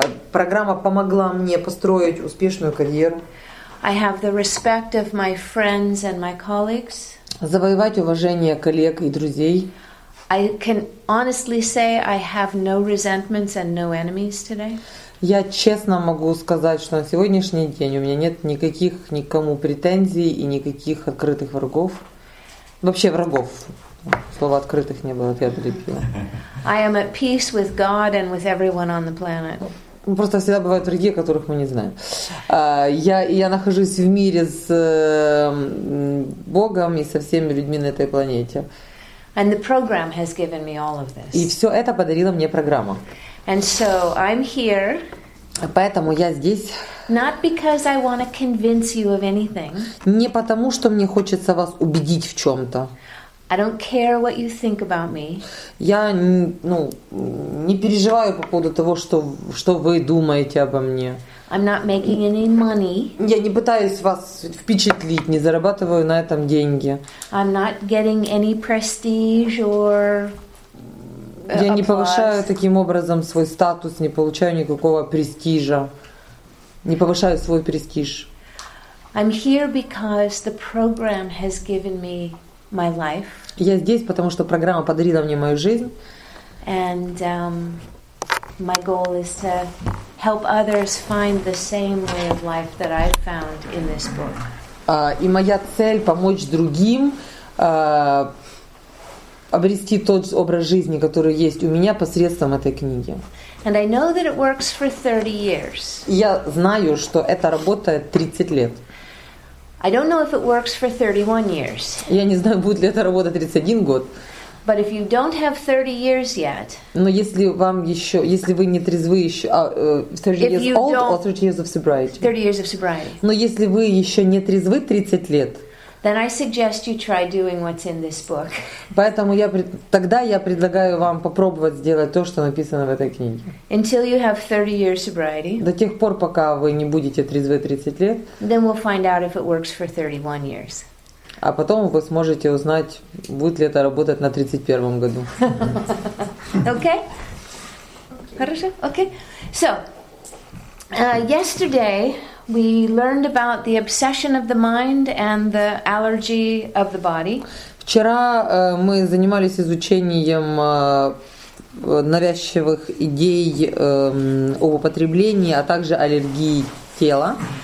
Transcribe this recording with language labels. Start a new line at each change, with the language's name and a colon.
Russian: Программа помогла мне построить успешную карьеру.
English: I have the respect of my friends and my colleagues.
Russian: Завоевать уважение коллег и друзей.
English: I can honestly say I have no resentments and no enemies today.
Russian: Я честно могу сказать, что на сегодняшний день у меня нет никаких никому претензий и никаких открытых врагов. Вообще врагов. Слова открытых не было, я перепила.
English: I am at peace with God and with everyone on the planet.
Russian: Просто всегда бывают враги, о которых мы не знаем. Я нахожусь в мире с Богом и со всеми людьми на этой планете.
English: And the program has given me all of this.
Russian: И все это подарила мне программа.
English: And so I'm here.
Russian: Поэтому я здесь.
English: Not because I want to convince you of anything.
Russian: Не потому, что мне хочется вас убедить в чем-то.
English: I don't care what you think about me.
Russian: Я, ну, не переживаю по поводу того, что вы думаете обо мне.
English: I'm not making any money.
Russian: Я не пытаюсь вас впечатлить, не зарабатываю на этом деньги.
English: I'm not getting any prestige or applause.
Russian: Я не повышаю таким образом свой статус, не получаю никакого престижа, не повышаю свой престиж.
English: I'm here because the program has given me my life.
Russian: Я здесь, потому что программа подарила мне мою жизнь.
English: And my goal is to help others find the same way of life that I found in this book.
Russian: И моя цель — помочь другим обрести тот образ жизни, который есть у меня посредством этой книги.
English: And I know that it works for 30 years.
Russian: Я знаю, что это работает 30 лет.
English: I don't know if it works for 31 years.
Russian: Я не знаю, будет ли это работать 31 год.
English: But if you don't have 30 years yet,
Russian: но если вам еще, если вы не трезвы еще,
English: 30 years of sobriety.
Russian: Но если вы еще не трезвы 30 лет,
English: then I suggest you try doing what's in this book.
Russian: Поэтому я тогда я предлагаю вам попробовать сделать то, что написано в этой книге.
English: Until you have 30 years sobriety.
Russian: До тех пор, пока вы не будете трезвы 30 лет.
English: Then we'll find out if it works for 31 years.
Russian: А потом вы сможете узнать, будет ли это работать на 31-м году.
English: Okay.
Russian: Хорошо.
English: Okay. So, yesterday we learned about the obsession of the mind and the allergy of the body.
Russian: Вчера мы занимались изучением навязчивых идей об употреблении, а также аллергии тела.